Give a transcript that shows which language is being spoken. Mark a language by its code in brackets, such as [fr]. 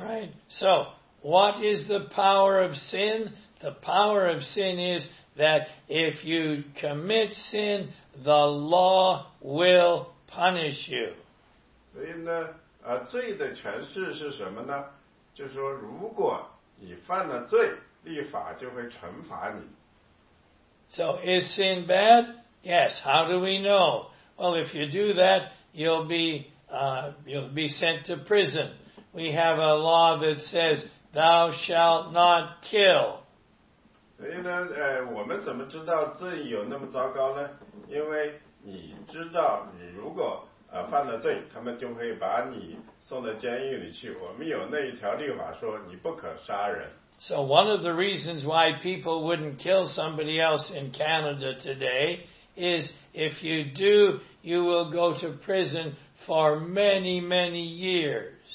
[en] right, so what is the power of sin? The power of sin is that if you commit sin, the law will punish you. [zh] 所以呢， 罪的权势是什么呢？就是说如果你犯了罪，律法就会惩罚你。 [en] So is sin bad? Yes. How do we know? Well, if you do that, you'll be sent to prison. We have a law that says, thou shalt not kill. [zh] 所以呢，我们怎么知道罪有那么糟糕呢？因为你知道，如果犯了罪，他们就会把你送到监狱里去。我们有那一条律法说，你不可杀人。 [en] So one of the reasons why people wouldn't kill somebody else in Canada today is if you do, you will go to prison for many, many years.